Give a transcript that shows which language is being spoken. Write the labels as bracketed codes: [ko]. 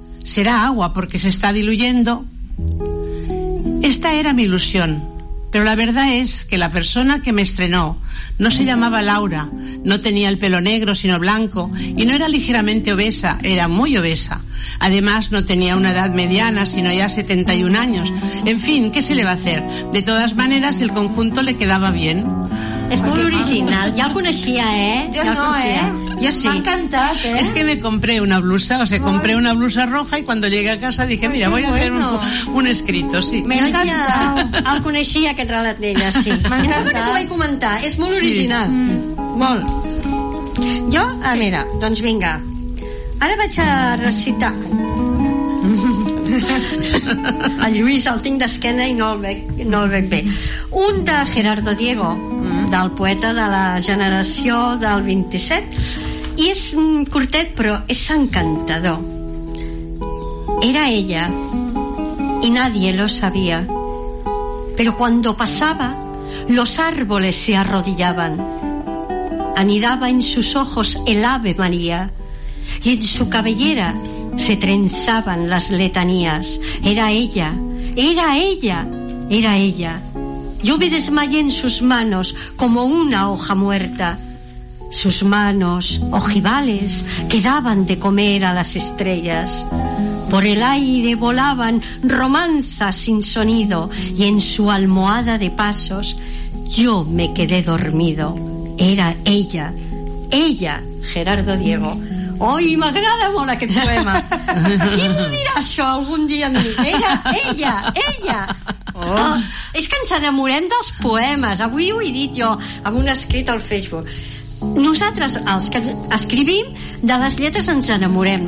[es] ¿Será agua porque se está diluyendo?». Esta era mi ilusión, pero la verdad es que la persona que me estrenó no se llamaba Laura, no tenía el pelo negro sino blanco y no era ligeramente obesa, era muy obesa. Además, no tenía una edad mediana sino ya 71 años. En fin, ¿qué se le va a hacer? De todas maneras, el conjunto le quedaba bien. [ca] És molt original, ja el coneixia, eh? Jo no, eh? Jo sí. M'ha encantat, eh? És que [es] me compré una blusa, o sea, compré una blusa roja i quan llegué a casa dije, mira, voy a hacer un escrito, sí. [ca] M'ha encantat. El coneixia, aquest relat d'ella, sí. M'encanta. Em sembla que t'ho vaig comentar, és molt original. Molt. Jo, a veure, doncs vinga, ara vaig a recitar... El Lluís el tinc d'esquena i no el veig bé. Un de Gerardo Diego, del poeta de la generació del 27, i és curtet però és encantador. [es] Era ella y nadie lo sabía, pero cuando pasaba los árboles se arrodillaban. Anidaba en sus ojos el ave María y en su cabellera se trenzaban las letanías. Era ella, era ella, era ella. Yo me desmayé en sus manos como una hoja muerta. Sus manos, ojivales, que daban de comer a las estrellas. Por el aire volaban romanzas sin sonido y en su almohada de pasos yo me quedé dormido. Era ella, ella, Gerardo Diego. [ca] Ai, m'agrada molt aquest poema. Qui m'ho dirà això algun dia a mi? Era ella, ella. Oh, és que ens enamorem dels poemes. Avui ho he dit jo amb un escrit al Facebook. Nosaltres, els que escrivim, de les lletres ens enamorem.